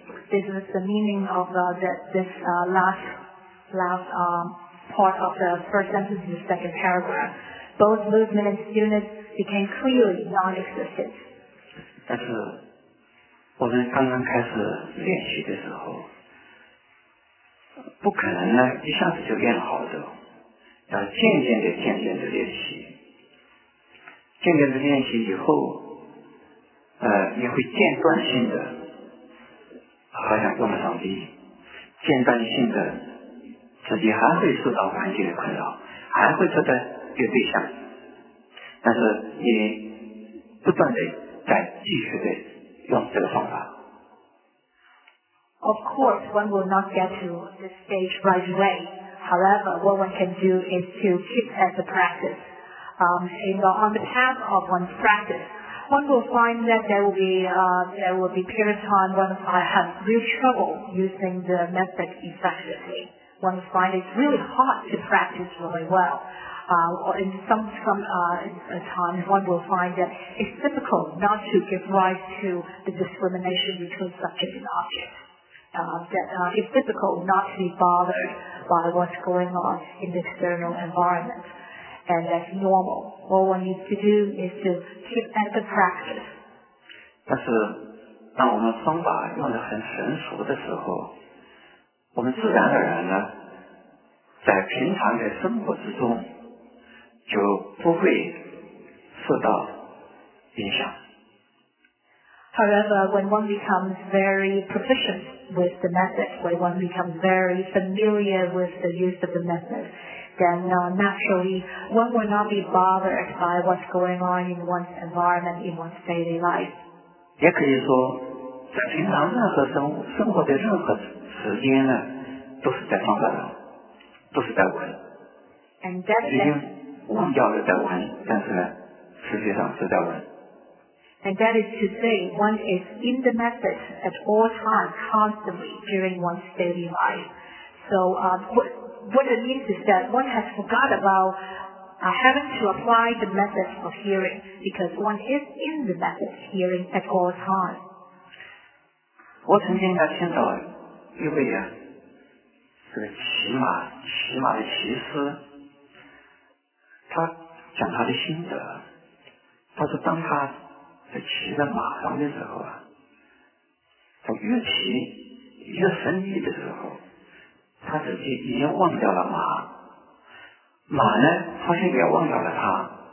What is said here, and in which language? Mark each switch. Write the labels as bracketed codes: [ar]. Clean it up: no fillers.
[en] this is the meaning of this last part of the first sentence in the second paragraph. Both movement and stillness became clearly non-existent. [zh] 但是我们刚刚开始练习的时候，不可能呢一下子就练好的，要渐渐的练习，渐渐的练习以后，也会间断性的，好像跟不上力，间断性的，自己还会受到环境的困扰，还会觉得有对象，但是你不断的。再继续的用这个方法。 [en] Of course, one will not get to this stage right away. However, what one can do is to keep as a practice. On the path of one's practice, one will find that there will be periods time when I have real trouble using the method effectively. One will find it's really hard to practice really well. Or in some times one will find that it's difficult not to give rise to the discrimination between subject and object. It's difficult not to be bothered by what's going on in the external environment. And that's normal. All one needs to do is to keep at the practice. [zh] 但是当我们方法用得很成熟的时候，我们自然而然呢，在平常的生活之中就不会受到影响。 [en] However, when one becomes very proficient with the method, when one becomes very familiar with the use of the method, then naturally one will not be bothered by what's going on in one's environment, in one's daily life. [zh] 也可以说，在平常任何生活的任何时间呢，都是在方法上，都是在闻。 [en] And that [zh] 已经忘掉了在闻，但是呢，实际上是在闻。 [en] And that is to say, one is in the method at all times, constantly, during one's daily life. So what it means is that one has forgot about having to apply the method of hearing, because one is in the method of hearing at all times. [zh] 我曾经还听到一位啊，这个骑马的骑师，他讲他的心得，他说当他在骑在马上的时候啊，他越骑越深意的时候，他自己已经忘掉了马，马呢好像也忘掉了他。